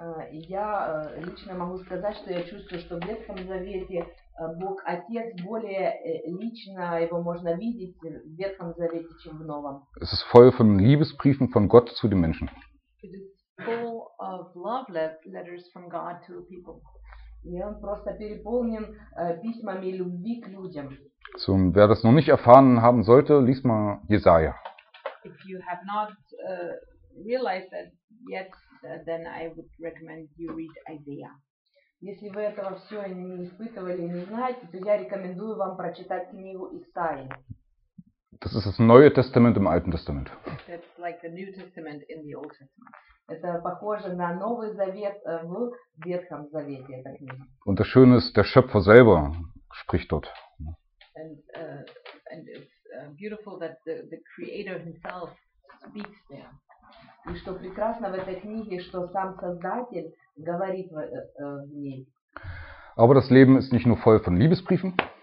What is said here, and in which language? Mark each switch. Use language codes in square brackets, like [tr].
[ru] Я лично могу сказать, что я чувствую, что в Ветхом Завете Бог Отец более лично, его можно видеть в Ветхом Завете, чем в Новом. [de] Es ist voll von Liebesbriefen von Gott zu den Menschen. [en] It is full of love letters from God to people. [ru] И он просто переполнен письмами любви к людям. [de] So, wer das noch nicht erfahren haben sollte, lies mal Jesaja. [en] If you have not realized that yet, then I would recommend you read Isaiah. [ru] Если вы этого все не испытывали и не знаете, то я рекомендую вам прочитать книгу Исаии. [de] Das ist das Neue Testament im Alten Testament. [en] That's like the New Testament in the Old Testament. [ru] Это похоже на Новый Завет в Ветхом Завете, эта книга. [de] Und das Schöne ist, der Schöpfer selber spricht dort. [en] And it's beautiful that the Creator himself speaks there. [ru] И что прекрасно в этой книге, что сам Создатель говорит в ней. [de] Aber das Leben ist nicht nur voll von Liebesbriefen.